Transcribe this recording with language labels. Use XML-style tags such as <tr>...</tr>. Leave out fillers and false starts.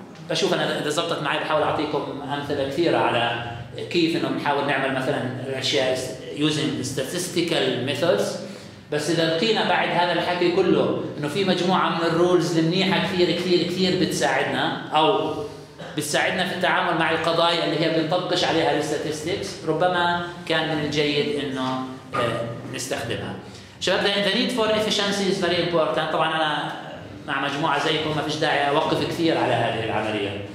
<ar>بشوف أنا إذا زبطت معي بحاول أعطيكم أمثلة كثيرة على كيف إنه بنحاول نعمل مثلاً الأشياء</ar> <en>using statistical methods.</en> <ar>بس إذا لقينا بعد هذا الحكي كله إنه في مجموعة من الرولز المنيحة كثير كثير كثير بتساعدنا أو بتساعدنا في التعامل مع القضايا اللي هي بنطبقش عليها الستاتستكس، ربما كان من الجيد إنه نستخدمها.</ar> <en>شباب the need for efficiency is very important.</en> <ar>طبعا أنا مع مجموعة زيكم ما فيش داعي أوقف كثير على هذه العملية.</ar>